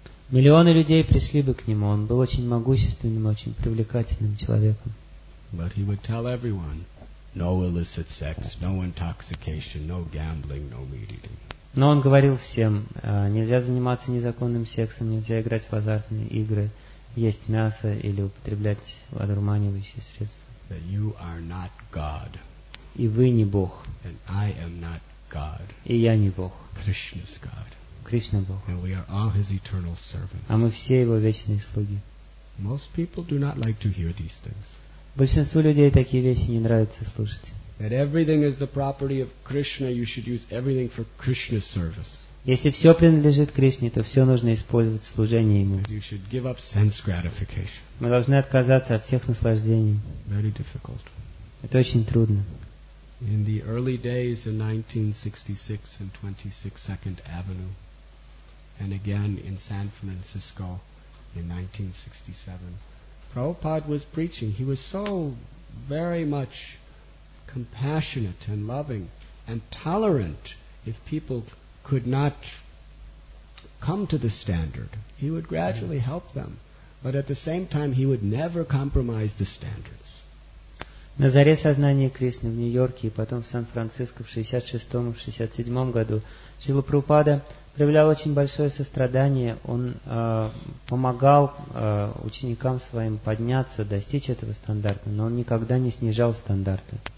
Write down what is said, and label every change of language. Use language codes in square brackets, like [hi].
[ru] Миллионы людей пришли бы к нему. Он был очень могущественным, очень привлекательным человеком. [en] But he would tell everyone, no illicit sex, no intoxication, no gambling, no meat eating. [ru] Но он говорил всем, нельзя заниматься незаконным сексом, нельзя играть в азартные игры, есть мясо или употреблять одурманивающие средства. [en] That you are not God. [ru] И вы не Бог. [en] And I am not God. [ru] И я не Бог. [en] Krishna is God. [ru] Кришна Бог. [en] And we are all his eternal servants. [ru] А мы все его вечные слуги. [en] Most people do not like to hear these things. [ru] Большинству людей такие вещи не нравится слушать. [en] That everything is the property of Krishna, you should use everything for Krishna's service. [ru] Если все принадлежит Кришне, то все нужно использовать в служении ему. [en] You should give up sense gratification. [ru] Мы должны отказаться от всех наслаждений. [en] Very difficult. [ru] Это очень трудно. [en] In the early days in 1966 and 22nd Avenue, and again in San Francisco in 1967, Prabhupada was preaching. He was so very much compassionate and loving and tolerant. If people could not come to the standard, he would gradually help them. But at the same time, he would never compromise the standards. [ru] На заре сознания Кришны в Нью-Йорке и потом в Сан-Франциско в 66-м и 67-м году Шрила Прабхупада проявлял очень большое сострадание. Он помогал ученикам своим подняться, достичь этого стандарта, но он никогда не снижал стандарты.